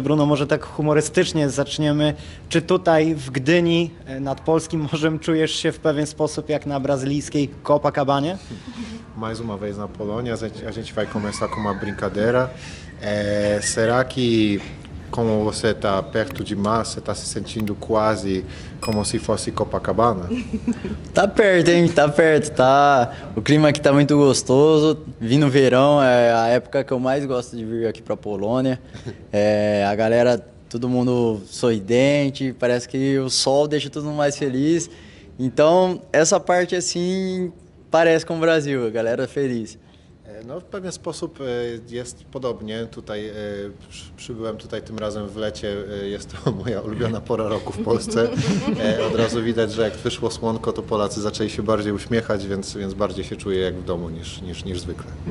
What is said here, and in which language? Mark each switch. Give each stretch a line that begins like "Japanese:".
Polish: Bruno, może tak humorystycznie zaczniemy. Czy tutaj w Gdyni nad polskim morzem czujesz się w pewien sposób jak na brazylijskiej Copacabanie?
Portuguese: Mais uma vez na Polônia, a gente vai começar com uma brincadeira. Será que como você está perto de mar, você está se sentindo quase como se fosse Copacabana? Tá perto, hein? Tá perto, tá. O clima aqui tá muito gostoso. Vim no verão, é a época que eu mais gosto de vir aqui pra Polônia. É, a galera, todo mundo sorridente, parece que o sol deixa todo mundo mais feliz. Então, essa parte assim, parece com o Brasil, a galera feliz.
Polish: No, w pewien sposób jest podobnie. Tutaj przybyłem tutaj tym razem w lecie. Jest to moja ulubiona pora roku w Polsce. Od razu widać, że jak wyszło słonko, to Polacy zaczęli się bardziej uśmiechać, więc bardziej się czuję jak w domu niż zwykle.